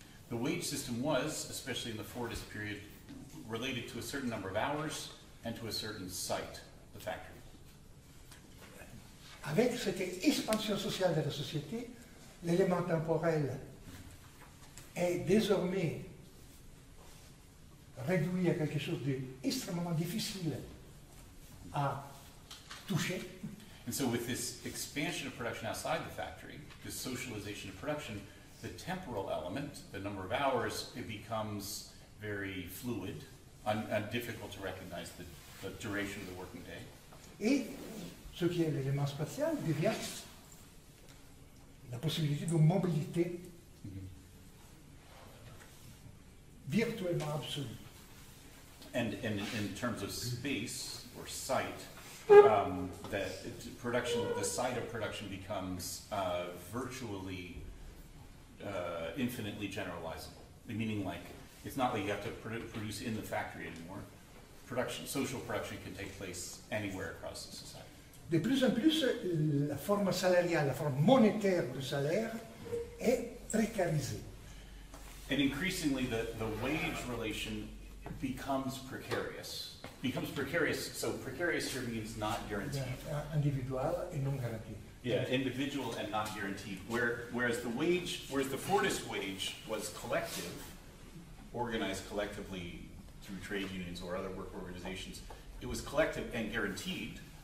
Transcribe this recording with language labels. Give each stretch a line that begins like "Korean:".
English: The wage system was, especially in the Fordist period, related to a certain number of hours and to a certain site, the factory.
French: Avec cette expansion sociale de la société, l'élément temporel est désormais réduit à quelque chose d'extrêmement difficile à toucher.
English: And so with this expansion of production outside the factory, this socialization of production, the temporal element, the number of hours, it becomes very fluid and difficult to recognize the duration of the working day.
French: Et ce qui est l'élément spatial devient la possibilité de mobilité virtuellement absolue.
English: And in terms of space or site, that production, the site of production becomes virtually infinitely generalizable. Meaning like, it's not like you have to produce in the factory anymore. Social production can take place anywhere across the society.
French: De plus en plus, la forme salariale, la forme monétaire du salaire est précarisée.
English: And increasingly, the wage relation becomes precarious. Becomes precarious, so precarious here means not guaranteed.
French: Individual et non garanti.
English: Yeah, individual and not guaranteed. Whereas the Fordist wage was collective, organized collectively through trade unions or other work organizations, it was collective and guaranteed.